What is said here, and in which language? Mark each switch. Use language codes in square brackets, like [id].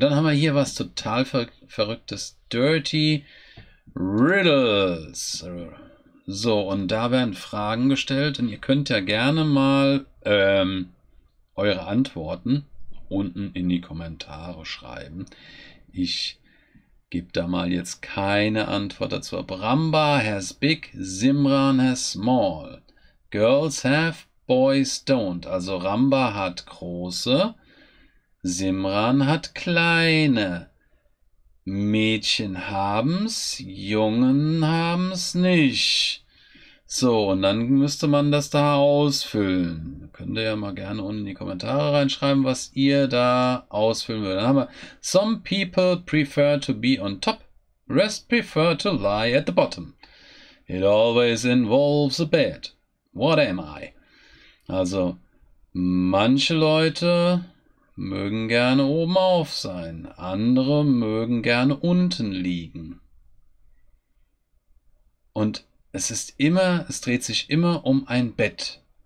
[de] Dann haben wir hier was total Verrücktes. Dirty Riddles. So, und da werden Fragen gestellt und ihr könnt ja gerne mal eure Antworten unten in die Kommentare schreiben. Ich gebe da mal jetzt keine Antwort dazu. [en] Ramba has big, Simran has small. Girls have, boys don't. [de] Also Ramba hat große, Simran hat kleine. Mädchen haben's, Jungen haben's nicht. So, und dann müsste man das da ausfüllen. Könnt ihr ja mal gerne unten in die Kommentare reinschreiben, was ihr da ausfüllen würdet. Dann haben wir: [en] Some people prefer to be on top, rest prefer to lie at the bottom. It always involves a bed. What am I? [de] Also, manche Leute mögen gerne oben auf sein, andere mögen gerne unten liegen. Und es dreht sich immer um ein Bett.